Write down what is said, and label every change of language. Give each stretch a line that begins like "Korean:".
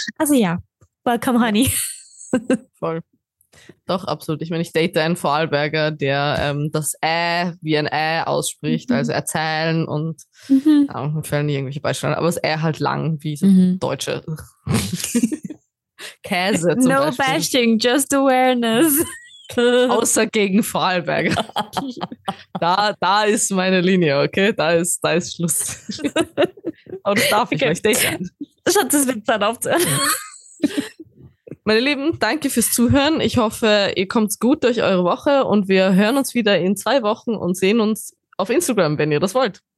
German: Also ja,
English: welcome honey.
German: Voll. Doch, absolut. Ich meine, ich date einen Vorarlberger, der das wie ein ausspricht, also erzählen und ja, fällen die irgendwelche Beispiele an. Aber das halt lang, wie so Deutsche. Käse zum Beispiel.
English: No bashing, just awareness.
German: Außer gegen Vorarlberger. Da ist meine Linie, okay? Da ist Schluss. Aber das darf ich euch daten. Schaut, das wird Zeit aufzuhören. Meine Lieben, danke fürs Zuhören. Ich hoffe, ihr kommt gut durch eure Woche und wir hören uns wieder in 2 Wochen und sehen uns auf Instagram, wenn ihr das wollt.